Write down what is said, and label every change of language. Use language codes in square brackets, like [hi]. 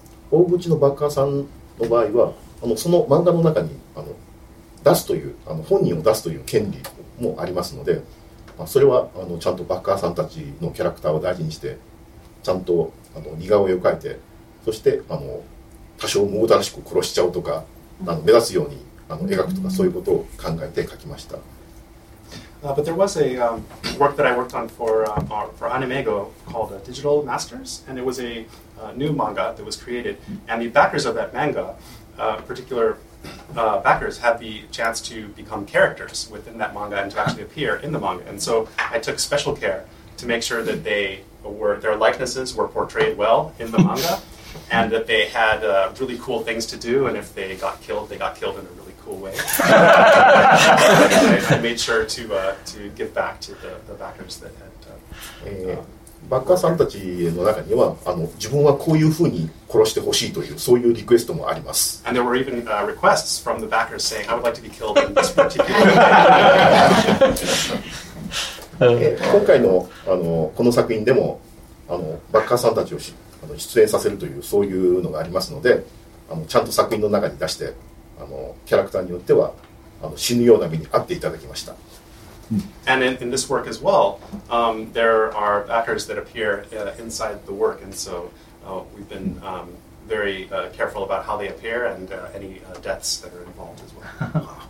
[ja] 大口のバッカーさんの場合はその漫画の中に出すという本人を出すという権利もありますので、それはちゃんとバッカーさんたちのキャラクターを大事にして、ちゃんと似顔絵を描いて、そして多少無駄らしく殺しちゃうとか、目立つように描くとか、そういうことを考えて描きました。 [en] But there was a work that I worked on for Animego called Digital Masters, and it was a new manga that was created, and the backers of that manga, particularbackers had the chance to become characters within that manga and to actually appear in the manga. And so I took special care to make sure that their likenesses were portrayed well in the manga and that they had really cool things to do. And if they got killed, they got killed in a really cool way. I made sure to give back to the backers that had... [ja] バッカーさんたちの中には自分はこういうふうに殺してほしいというそういうリクエストもあります。 [en] And there were even requests from the backers saying I would like to be killed in this particular [ja] 今回のこの作品でもバッカーさんたちを出演させるというそういうのがありますので、ちゃんと作品の中に出してキャラクターによっては死ぬような目に遭っていただきました。 [en] And in this work as well, there are backers that appear inside the work, and so we've been very careful about how they appear and any deaths that are involved as well.